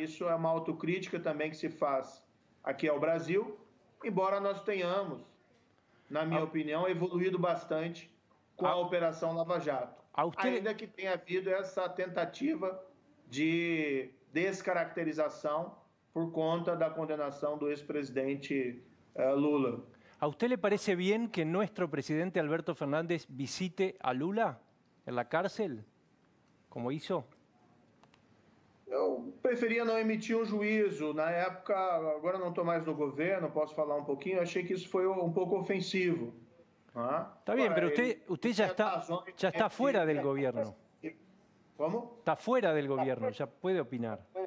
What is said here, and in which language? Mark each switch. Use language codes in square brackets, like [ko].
[pt] Isso é uma autocrítica também que se faz aqui ao Brasil, embora nós tenhamos, na minha opinião, evoluído bastante com a Operação Lava Jato. Ainda que tenha havido essa tentativa de descaracterização por conta da condenação do ex-presidente Lula. [es] ¿A usted le parece bien que nuestro presidente Alberto Fernández visite a Lula en la cárcel, como hizo? [pt] Eu preferia não emitir um juízo. Na época, agora não estou mais no governo, posso falar um pouquinho, achei que isso foi um pouco ofensivo. Está bem, mas você já está fora do governo. Como? Está fora do governo, já pode opinar.